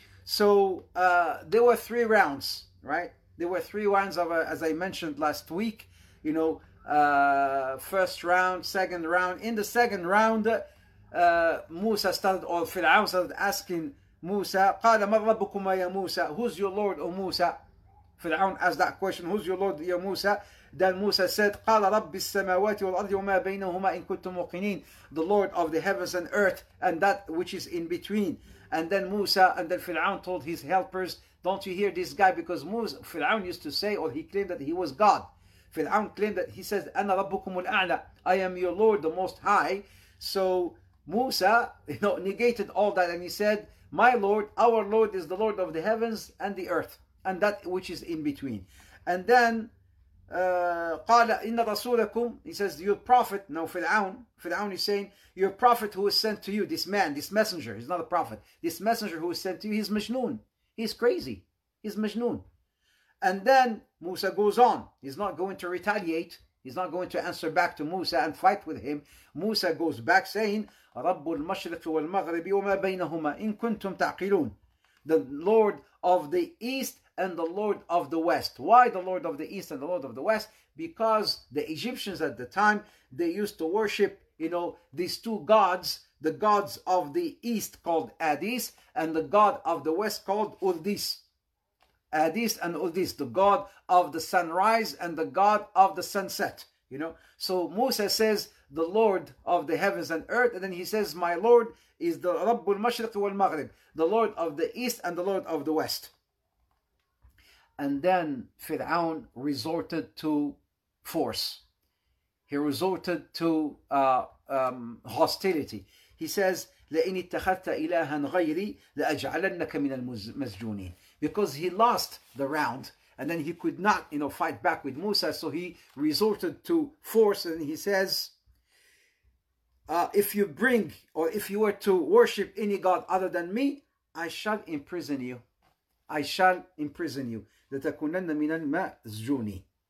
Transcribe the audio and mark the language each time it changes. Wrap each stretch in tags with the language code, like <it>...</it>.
<en>So there were three rounds, right? There were three rounds of, as I mentioned last week, you know, first round, second round. In the second round, Musa started, or Fir'aun started asking Musa,</en> <ar>قَالَ مَا رَبُّكُمَا يَا مُوسَى?</ar> <en>Who's your Lord, O Musa? Fir'aun asked that question, who's your Lord, O Musa? Then Musa said,</en> <ar>قَالَ رَبِّ السَّمَاوَاتِ وَالْأَرْضِ وَمَا بَيْنَهُمَا إِن كُنتُم مُوقِنِينَ?</ar> <en>The Lord of the heavens and earth, and that which is in between. And then Musa, and then Fir'aun told his helpers, don't you hear this guy? Because Fir'aun used to say, or he claimed that he was God. Fir'aun claimed that he says,</en> <ar>أَنَا رَبُّكُمُ الْأَعْلَى,</ar> <en>I am your Lord, the Most High. So Musa, you know, negated all that, and he said, my Lord, our Lord is the Lord of the heavens and the earth, and that which is in between. And then,</en> <ar>قَالَ إِنَّ رَسُولَكُمْ,</ar> <en>he says, your prophet, now Fir'aun is saying, your prophet who is sent to you, this man, this messenger, he's not a prophet, this messenger who is sent to you, he's Majnun. He's crazy. He's Majnun. And then Musa goes on. He's not going to retaliate. He's not going to answer back to Musa and fight with him. Musa goes back saying,</en> <ar>رَبُّ الْمَشْرِقِ وَالْمَغْرِبِ وَمَا بَيْنَهُمَا إِن كُنْتُمْ تَعْقِلُونَ.</ar> <en>The Lord of the East and the Lord of the West. Why the Lord of the East and the Lord of the West? Because the Egyptians at the time, they used to worship, you know, these two gods, the gods of the East called Adis and the god of the West called Urdis. Adis and Urdis, the god of the sunrise and the god of the sunset, you know. So Musa says, the Lord of the heavens and earth. And then he says, my Lord is the Rabbul Mashriq wal Maghrib, the Lord of the East and the Lord of the West. And then Fir'aun resorted to force. He resorted to hostility. He says,</en> <ar>لَإِنِ اتَّخَذْتَ إِلَٰهًا غَيْرِي لَأَجْعَلَنَّكَ مِنَ الْمَسْجُونِينَ.</ar> <en>Because he lost the round, and then he could not, you know, fight back with Musa, so he resorted to force, and he says, if you bring, or if you were to worship any god other than me, I shall imprison you. I shall imprison you.</en> <ar>لَتَكُنَنَّ مِنَ الْمَسْجُونِينَ.</ar>